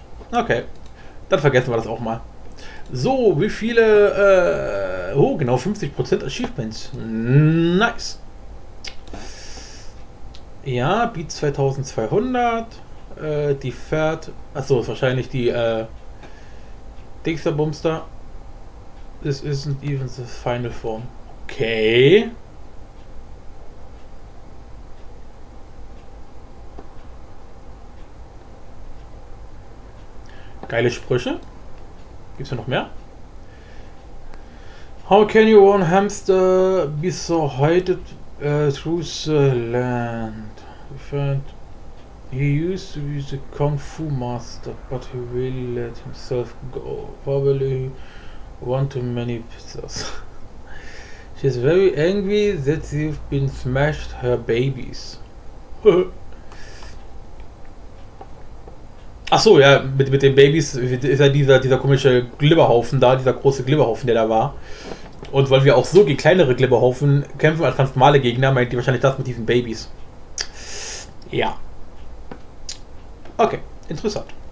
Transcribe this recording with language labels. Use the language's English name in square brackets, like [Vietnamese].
[German] Okay, dann vergessen wir das auch mal. So, wie viele, oh genau, 50% Achievements. [English] Nice. [German] Ja, Beat 2200, die fährt, achso, ist wahrscheinlich die, Dixter Bumster. [English] This isn't even the final form. Okay. [German] Geile Sprüche. Gibt's da noch mehr? [English] How can you own hamster be so hated through the land? He used to be the Kung Fu Master, but he really let himself go. Probably one too many pizzas. She's very angry that you've been smashed her babies. [German] Ach so, ja, mit den Babys ist ja dieser komische Glibberhaufen da, dieser große Glibberhaufen, der da war. Und weil wir auch so gegen kleinere Glibberhaufen kämpfen als ganz normale Gegner, meint die wahrscheinlich das mit diesen Babys. Ja. Okay, interessant.